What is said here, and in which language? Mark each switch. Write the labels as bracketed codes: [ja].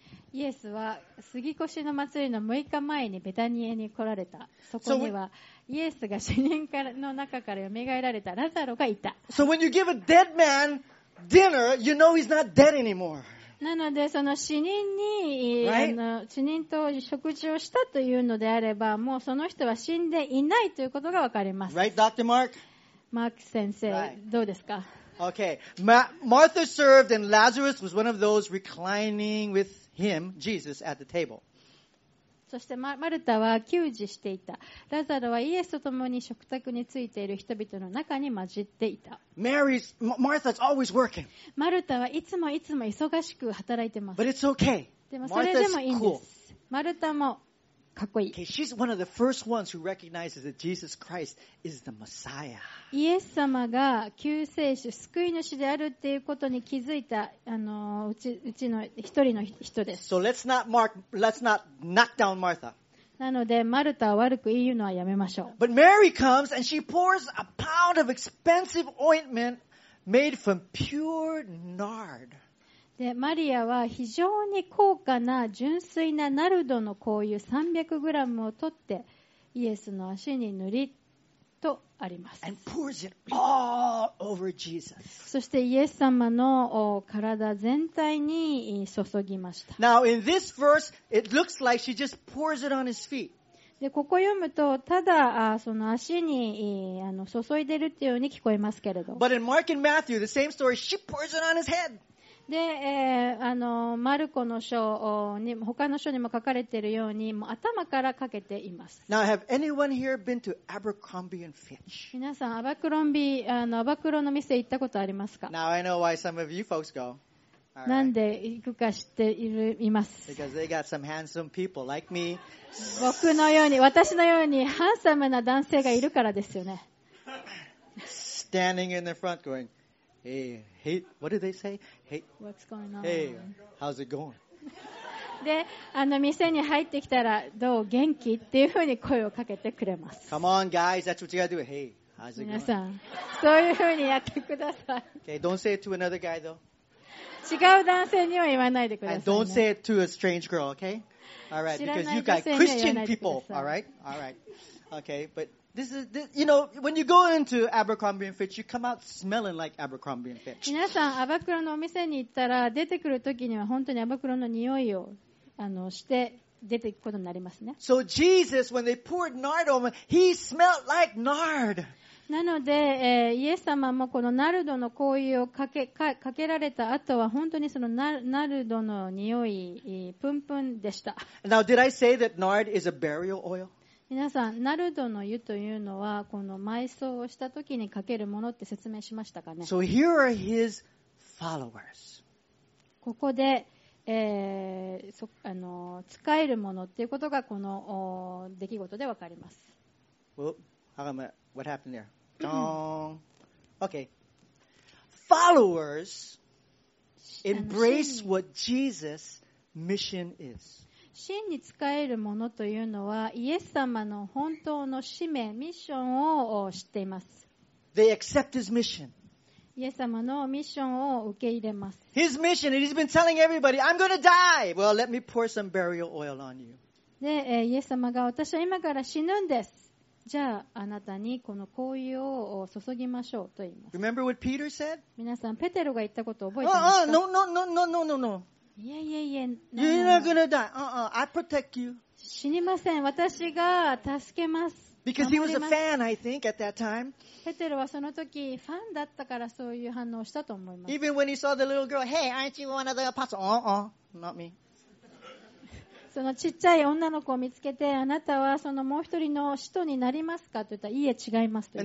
[ja] イエスは杉越の祭りの6日前にベタニエに来られた。そこにはイエスが死人の中からよみがえられたラザロがいた。 [en] So when you give a dead man dinner, you know he's not dead anymore. [ja] なのでその死人に、 [en] right? [ja] 死人と食事をしたというのであれば、もうその人は死んでいないということがわかります。 [en] Right, Dr. Mark? [ja] マーク先生、 [en] right. [ja] どうですか？ [en] Okay. Martha served and Lazarus was one of those reclining withHim, Jesus, at the table. [ja] そして マルタは給仕していた。ラザロはイエスと共に食卓についている人々の中に混じっていた。 [en] Martha's always working. [ja] マルタはいつもいつも忙しく働いてます。 [en] But it's okay. [ja] でもそれでもいいんです。マルタもかっこいい。 [en] Okay, she's one of the first ones who recognizes that Jesus Christ is the Messiah. [ja] イエス様が救世主、救い主であるっていうことに気づいた、うちの一人の人です。 [en] So let's not knock down Martha. [ja] なので、マルタを悪く言うのはやめましょう。 [en] But Mary comes and she pours a pound of expensive ointment made from pure nard. [ja] でマリアは非常に高価な純粋なナルドの香油 300g を取ってイエスの足に塗りとあります。 [en] And pours it all over Jesus. [ja] そしてイエス様の体全体に注ぎました。 [en] Now in this verse it looks like she just pours it on his feet. [ja] でここ読むとただその足に注いでるっていうように聞こえますけれど、 [en] But in Mark and Matthew the same story she pours it on his head [ja] で、マルコの書に他の書にも書かれているようにもう頭からかけています。 [en] Now, have anyone here been to Abercrombie and Fitch? [ja] 皆さんアバクロンビー、アバクロの店行ったことありますか？ [en] Now, I know why some of you folks go. [ja] なんで行くか知っている、います。 [en] Because they got some handsome people like me. [ja] 僕のように私のようにハンサムな男性がいるからですよね。 [en] Standing in the front going,Hey, what did they say? Hey, what's going on? Hey, how's it going? [ja] で、店に入ってきたらどう元気っていうふうに声をかけてくれます。 [en] Come on, guys, that's what you gotta do. Hey, how's it going? [ja] 皆さん、そういうふうにやってください。 [en] Okay, don't say it to another guy, though. [ja] 違う男性には言わないでください、ね。 [en] And don't say it to a strange girl, okay? All right, because you got Christian people, all right. Okay, but. This, you know, when you go into Abercrombie and Fitch, you come out smelling like Abercrombie and Fitch. [ja] 皆さん、アバクロのお店に行ったら、出てくる時には本当にアバクロの匂いをして出ていくことになりますね。 [en] So Jesus, when they poured nard on him, he smelled like nard. [ja] なので、イエス様もこのナルドの香油をかけられた後は本当にそのナルドの匂い、プンプンでした。 [en] Now, did I say that nard is a burial oil? [ja] 皆さん、ナルドの湯というのはこの埋葬をした時にかけるものって説明しましたかね。 [en] So here are his followers. [ja] ここで、使えるものっていうことがこの出来事でわかります。 [en] What happened there? Okay. Followers embrace what Jesus' mission is. [ja] 真に使えるものというのはイエス様の本当の使命、ミッションを知っています。 [en] They accept his mission. [ja] イエス様のミッションを受け入れます。 [en] His mission, and he's been telling everybody, I'm going to die. Well, let me pour some burial oil on you. [ja] で、イエス様が私は今から死ぬんです。じゃああなたにこの香油を注ぎましょうと言います。 [en] Remember what Peter said? [ja] 皆さん、ペテロが言ったことを覚えてますか？ [en] No. You're not gonna die. I protect you. [ja] 死にません。私が助けます。 [en] Because he was a fan, I think, at that time. [ja] ペテロはその時ファンだったからそういう反応したと思います。 [en] Even when he saw the little girl, hey, aren't you one of the apostles? Not me. [ja] そのちっちゃい女の子を見つけて、あなたはそのもう一人の使徒になりますかと言ったら、いいえ、違いますと言